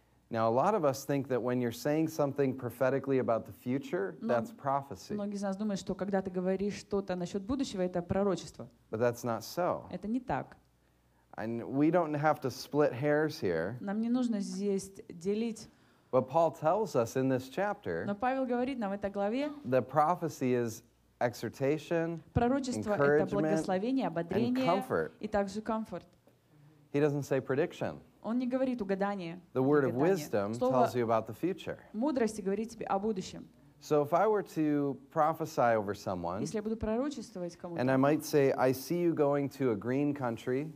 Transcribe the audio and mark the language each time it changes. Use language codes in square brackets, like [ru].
[en] Now a lot of us think that when you're saying something prophetically about the future, that's prophecy. [ru] Многие из нас думают, что когда ты говоришь что-то насчет будущего, это пророчество. [en] But that's not so. [ru] Это не так. [en] And we don't have to split hairs here. [ru] Нам не нужно здесь делить. [en] But Paul tells us in this chapter. [ru] Но Павел говорит нам в этой главе. [en] The prophecy is exhortation, [ru] пророчество [en] encouragement, [ru] это благословение, ободрение, [en] and comfort. [ru] И также comfort. [en] He doesn't say prediction. [ru] Он не говорит угадание. [en] The word of wisdom tells you about the future. [ru] Мудрости говорит тебе о будущем. [en] So if I were to prophesy over someone, [ru] если я буду пророчествовать кому-то, [en] and I might say, I see you going to a green country.